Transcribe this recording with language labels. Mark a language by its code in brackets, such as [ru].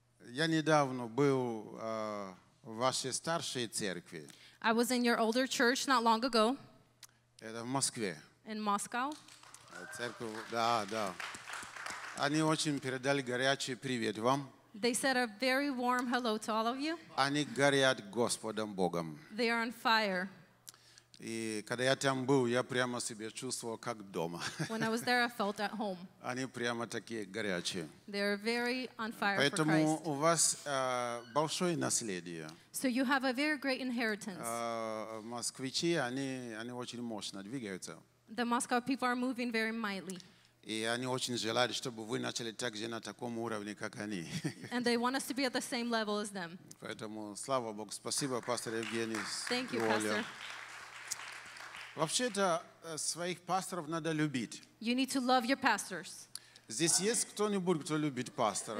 [ru] Я недавно был в вашей старшей церкви. [en] I was in your older church not long ago. [ru] Это в Москве. [en] In Moscow. [ru] Церковь, да, да. Они очень передали горячий привет вам. [en] They said a very warm hello to all of you. [ru] Они горят Господом Богом. [en] They are on fire. [ru] И когда я там был, я прямо себя чувствовал как дома. [en] When I was there, I felt at home. [ru] Они прямо такие горячие. [en] They are very on fire. [ru] Поэтому [en] for Christ. [ru] У вас большое наследие. [en] So you have a very great inheritance. [ru] Москвичи, они очень мощно двигаются. [en] The Moscow people are moving very mightily. [ru] И они очень желают, чтобы вы начали так же на таком уровне, как они. [en] And they want us to be at the same level as them. [ru] Поэтому слава Богу, спасибо, пастор Евгений. [en] Thank you, Pastor. [ru] Вообще-то своих пасторов надо любить. [en] You need to love your pastors. [ru] Здесь есть кто-нибудь, кто любит пастора?